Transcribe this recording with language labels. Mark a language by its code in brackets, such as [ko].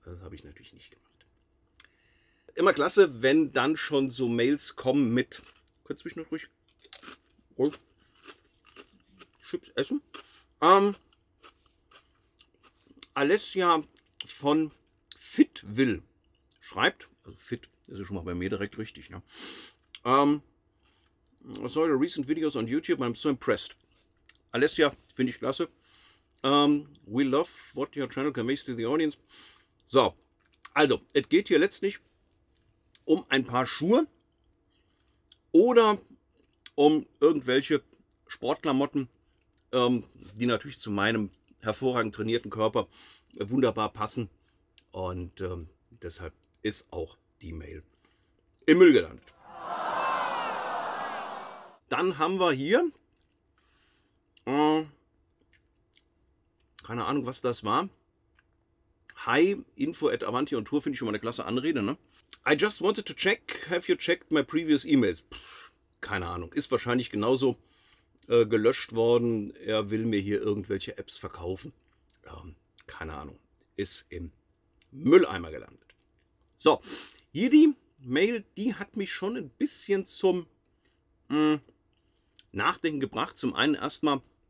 [de] Das habe ich natürlich nicht gemacht. Immer klasse, wenn dann schon so Mails kommen mit... Könnt ihr mich noch ruhig Chips essen? Alessia von Fitwill schreibt, also Fit, das ist schon mal bei mir direkt richtig, ne? [en] I saw your recent videos on YouTube, I'm so impressed. Alessia, [de] finde ich klasse. [en] We love what your channel conveys to the audience. [de] So, also, es geht hier letztlich um ein paar Schuhe oder um irgendwelche Sportklamotten, die natürlich zu meinem hervorragend trainierten Körper wunderbar passen. Und deshalb ist auch die Mail im Müll gelandet. Dann haben wir hier... keine Ahnung, was das war. Hi, info at Avanti on Tour, finde ich schon mal eine klasse Anrede, ne? [en] I just wanted to check, have you checked my previous emails? [de] Pff, keine Ahnung, ist wahrscheinlich genauso gelöscht worden. Er will mir hier irgendwelche Apps verkaufen. Keine Ahnung, ist im Mülleimer gelandet. So, hier die Mail, die hat mich schon ein bisschen zum Nachdenken gebracht. Zum einen erstmal...